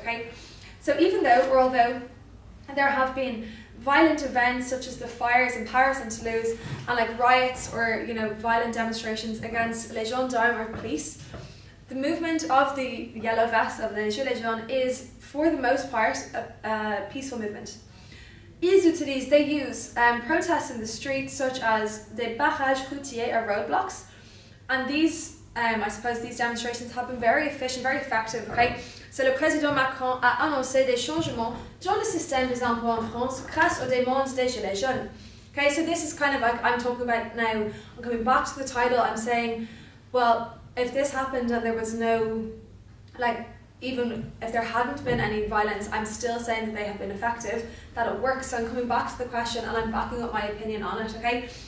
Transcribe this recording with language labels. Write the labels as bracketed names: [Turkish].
[English] Okay, so even though or although there have been violent events such as the fires in Paris and Toulouse, and like riots or, you know, violent demonstrations against [French] les gendarmes [English] or police, the movement of the yellow vests of the Gilets Jaunes is for the most part a peaceful movement. [French] Ils utilisent, [English] they use protests in the streets such as [French] des barrages routiers [English] or roadblocks, and these I suppose these demonstrations have been very efficient, very effective, okay? [French] So le président Macron a annoncé des changements dans le système des emplois en France grâce aux demandes des Gilets Jaunes. [English] Okay, so this is kind of like I'm talking about now, I'm coming back to the title, I'm saying, well, if this happened and there was no, like, even if there hadn't been any violence, I'm still saying that they have been effective, that it works. So I'm coming back to the question and I'm backing up my opinion on it, okay?